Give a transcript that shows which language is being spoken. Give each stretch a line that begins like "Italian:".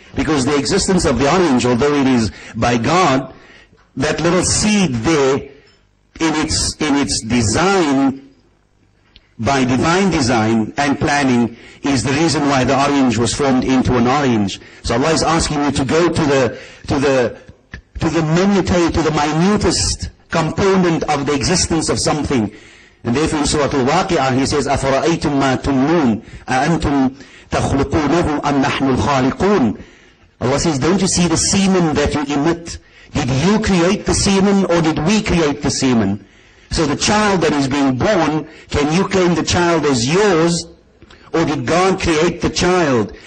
English: Because the existence of the orange, although it is by God, that little seed there, in its design, by divine design and planning, is the reason why the orange was formed into an orange. So Allah is asking you to go to the minutest component of the existence of something. And therefore in Surah Al-Waqi'ah, he says,
Arabic: أَفَرَأَيْتُمْ مَا تُمْنُونَ أَأَنْتُمْ تَخْلُقُونَهُمْ أَمْ نَحْنُ الْخَالِقُونَ.
English: Allah says, don't you see the semen that you emit? Did you create the semen or did we create the semen? So the child that is being born, can you claim the child as yours or did God create the child?